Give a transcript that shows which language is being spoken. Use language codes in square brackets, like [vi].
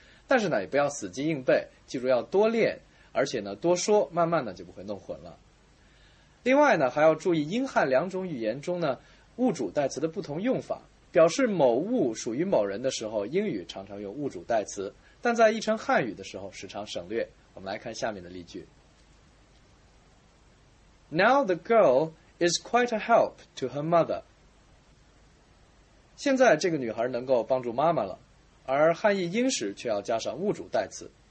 [zh] 但是呢也不要死记硬背，记住要多练，而且呢多说，慢慢呢就不会弄混了。另外呢还要注意英汉两种语言中呢物主代词的不同用法，表示某物属于某人的时候，英语常常用物主代词，但在译成汉语的时候时常省略。我们来看下面的例句。 [en] Now the girl is quite a help to her mother. [zh] 现在这个女孩能够帮助妈妈了，而汉译英式却要加上物主代词。